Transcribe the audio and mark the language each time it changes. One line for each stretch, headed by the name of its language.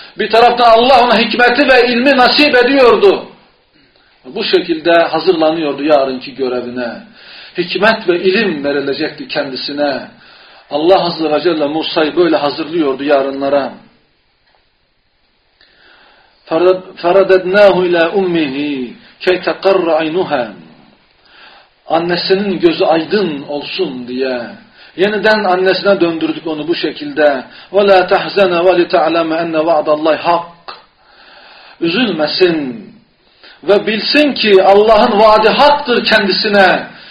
Turkish: Bir taraftan Allah ona hikmeti ve ilmi nasip ediyordu. Bu şekilde hazırlanıyordu yarınki görevine. Hikmet ve ilim verilecekti kendisine. Allah Azze ve Celle Musa'yı böyle hazırlıyordu yarınlara.
Arabic: فَرَدَدْنَاهُ اِلَى اُمِّهِ كَيْ تَقَرَّ عَيْنُهَا
Turkish: Annesinin gözü aydın olsun diye. Yeniden annesine döndürdük onu bu şekilde.
Arabic: وَلَا تَحْزَنَ وَلِتَعْلَمَ اَنَّ وَعْدَ اللّٰهِ حَقٍّ
Turkish: Üzülmesin. Ve bilsin ki Allah'ın vaadi haktır kendisine.